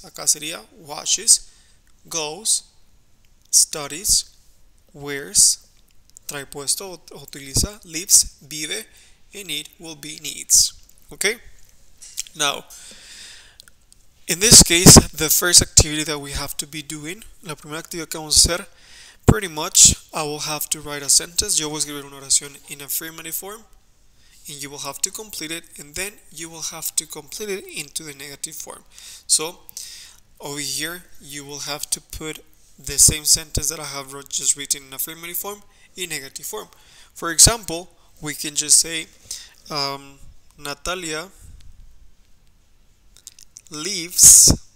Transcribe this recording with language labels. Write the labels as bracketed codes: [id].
[es] Acá sería [en] washes, goes, studies, wears, trae puesto, utiliza, lives, vive, and it will be needs. Okay? Now, in this case, the first activity that we have to be doing, [es] la primera actividad que vamos a hacer, [en] pretty much, I will have to write a sentence. [es] Yo voy a escribir una oración [en] in affirmative form. And you will have to complete it. And then, you will have to complete it into the negative form. So, over here, you will have to put the same sentence that I have wrote, just written in affirmative form, in negative form. For example, we can just say, Natalia leaves.